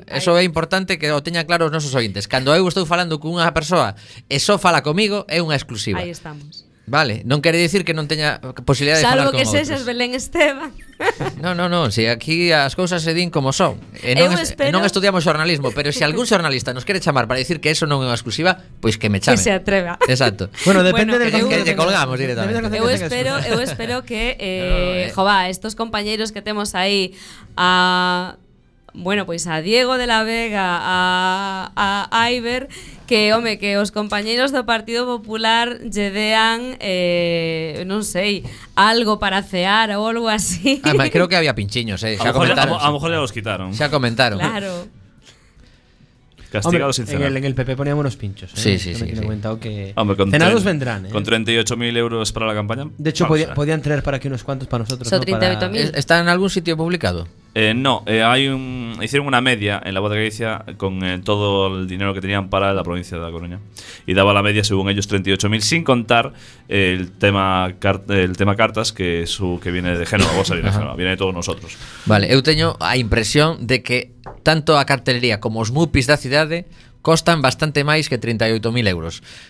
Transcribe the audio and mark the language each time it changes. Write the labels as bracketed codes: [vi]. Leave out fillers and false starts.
[gl] Eso é importante que o teñan claro os nosos ointes. Cando eu estou falando con unha persoa e só fala comigo, é unha exclusiva. Aí estamos. Vale, non quere dicir que non teña posibilidade de falar con outros. Salvo que sexas Belén Esteban. Non, si aquí as cousas se din como son. Non estudiamos xornalismo, pero se algún xornalista nos quere chamar para dicir que eso non é unha exclusiva, pois que me chame. Que se atreva. Exacto. Bueno, depende bueno, que lle colgamos directamente. Eu espero que, jová, estos compañeros que temos aí a... Bueno, pois a Diego de la Vega, a Iber, que, home, que os compañeros do Partido Popular lle dean, non sei, algo para cear ou algo así. Además, creo que había pinchiños, eh. [es] A lo mejor ya los quitaron. [gl] Xa comentaron. Claro. Castigado sincero. [es] En el PP poníamos unos pinchos, ¿eh? Sí. Me sí. Comentado que hombre, cenados vendrán, ¿eh? Con 38.000 euros para la campaña. De hecho, podían traer para aquí unos cuantos para nosotros. Son 38.000. ¿No? ¿Están en algún sitio publicado? Hicieron una media en la Voz de Galicia con todo el dinero que tenían para la provincia de La Coruña. Y daba la media, según ellos, 38.000, sin contar el tema cartas, que viene de Génova, vos salís de Génova, viene de todos nosotros. [gl] Vale, eu teño a impresión de que tanto a cartelería como os mupis da cidade costan bastante máis que 38.000 euros.